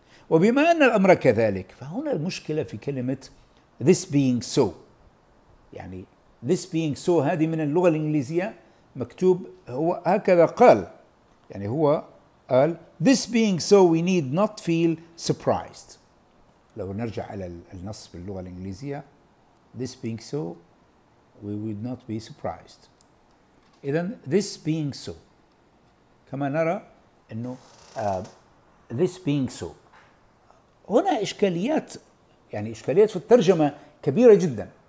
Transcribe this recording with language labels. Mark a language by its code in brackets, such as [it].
[ar] وبما أن الأمر كذلك، فهنا المشكلة في كلمة [en] this being so، [ar] يعني [en] this being so هذه من اللغة الإنجليزية مكتوب هو هكذا قال، يعني هو قال this being so we need not feel surprised. [ar] لو نرجع على النص باللغة الإنجليزية [en] this being so we would not be surprised. [ar] إذن [en] this being so، [ar] كما نرى أنه this being so هنا إشكاليات، يعني إشكاليات في الترجمة كبيرة جدا.